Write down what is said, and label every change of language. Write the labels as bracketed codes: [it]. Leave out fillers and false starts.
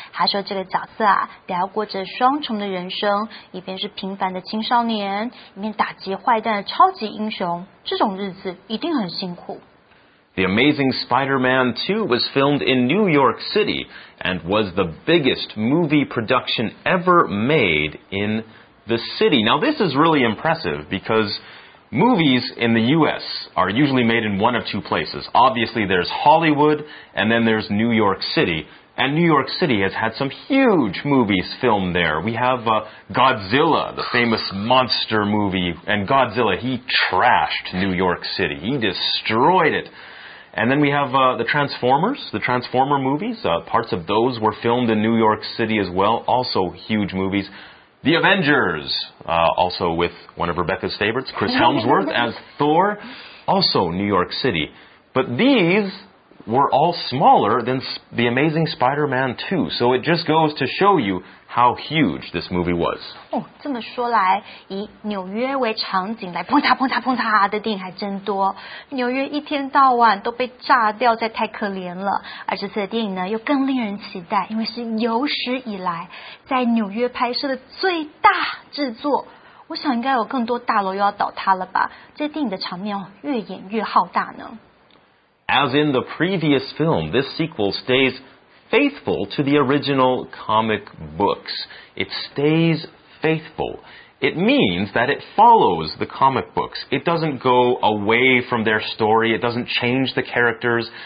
[zh] 他说这个角色啊，得要过着双重的人生，一边是平凡的青少年，一边打击坏蛋的超级英雄，这种日子一定很辛苦。 [en] The Amazing Spider-Man 2 was filmed in New York City and was the biggest movie production ever made in the city. Now, this is really impressive because movies in the U.S. are usually made in one of two places. Obviously, there's Hollywood and then there's New York City. And New York City has had some huge movies filmed there. We have Godzilla, the famous monster movie. And Godzilla, he trashed New York City. He destroyed it. And then we have the Transformer movies. Parts of those were filmed in New York City as well. Also huge movies. The Avengers, also with one of Rebecca's favorites, Chris Hemsworth as Thor, also New York City. But these were all smaller than The Amazing Spider-Man 2. So it just goes to show you how huge this movie was. [zh] 哦，这么说来，以纽约为场景来砰嚓砰嚓砰嚓的电影还真多。纽约一天到晚都被炸掉，再太可怜了。而这次的电影呢，又更令人期待，因为是有史以来在纽约拍摄的最大制作。我想应该有更多大楼又要倒塌了吧？这电影的场面哦，越演越浩大呢。 [en] As in the previous film, this sequel stays faithful to the original comic books. It stays faithful. It means that it follows the comic books. It doesn't go away from their story. It doesn't change the characters.